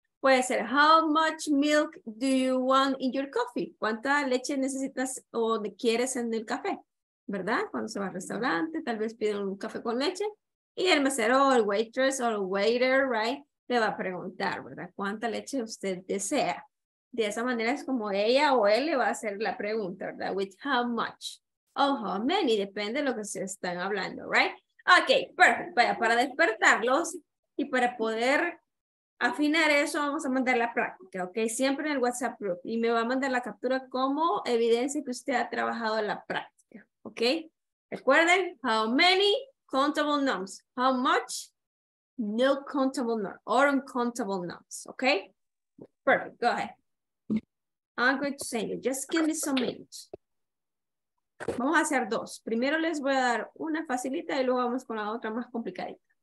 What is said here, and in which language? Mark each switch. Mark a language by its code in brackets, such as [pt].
[es] Puede ser, [en] how much milk do you want in your coffee? [es] ¿Cuánta leche necesitas o quieres en el café? ¿Verdad? Cuando se va al restaurante, tal vez piden un café con leche. Y el mesero, el waitress, o el waiter, right? Le va a preguntar, ¿verdad? ¿Cuánta leche usted desea? De esa manera es como ella o él le va a hacer la pregunta, ¿verdad? [en] With how much o how many, [es] depende de lo que se están hablando, [en] right? Ok, perfect. [es] Vaya, para despertarlos y para poder afinar eso, vamos a mandar la práctica, ¿ok? Siempre en el WhatsApp group. Y me va a mandar la captura como evidencia que usted ha trabajado en la práctica, ¿ok? Recuerden, [en] how many countable nouns, how much. No countable nouns or uncountable nouns, okay? Perfect, go ahead. I'm going to send you, just give me some minutes. [es] Vamos a hacer dos. Primero les voy a dar una facilita y luego vamos con la otra más complicadita.